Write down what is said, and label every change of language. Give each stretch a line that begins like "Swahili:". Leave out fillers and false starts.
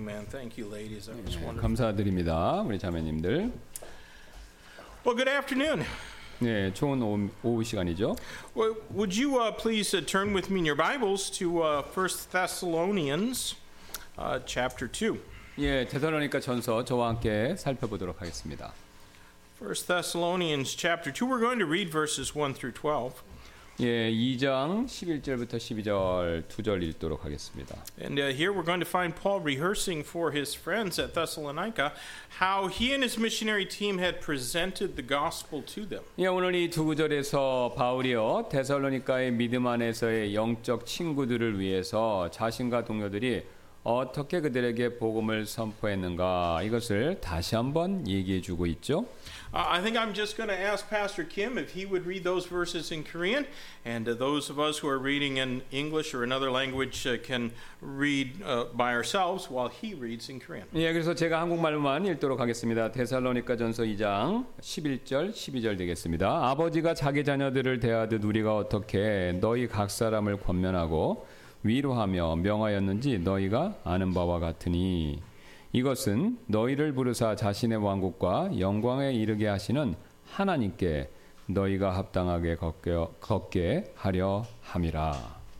English: Thank you, ladies. That was wonderful.
Korean: 감사드립니다, 우리 자매님들.
English: Well, good afternoon.
Korean: 네, 좋은 오후 시간이죠.
English: Well, would you please turn with me in your Bibles to 1 Thessalonians chapter 2.
Korean: 예, 데살로니가 전서 저와 함께 살펴보도록 하겠습니다.
English: 1 Thessalonians chapter 2, we're going to read verses 1 through 12.
Korean: 예, 2장 11절부터 12절 2절 읽도록 하겠습니다.
English: And here we're going to find Paul rehearsing for his friends at Thessalonica how he and his missionary team had presented the gospel to them.
Korean: 예, 오늘 이 두 구절에서 바울이요, 데살로니가의 믿음 안에서의 영적 친구들을 위해서 자신과 동료들이 어떻게 그들에게 복음을 선포했는가 이것을 다시 한번 얘기해 주고 있죠.
English: I think I'm just going to ask Pastor Kim if he would read those verses in Korean, and those of us who are reading in English or another language can read by ourselves while he reads in Korean.
Korean: 예, 그래서 제가 한국말로만 읽도록 하겠습니다. 데살로니가전서 2장 11절 12절 되겠습니다. 아버지가 자기 자녀들을 대하듯 우리가 어떻게 너희 각 사람을 권면하고 위로하며 명하였는지 너희가 아는 바와 같으니 이것은 너희를 부르사 자신의 왕국과 영광에 이르게 하시는 하나님께 너희가 합당하게 걷게 하려 함이라.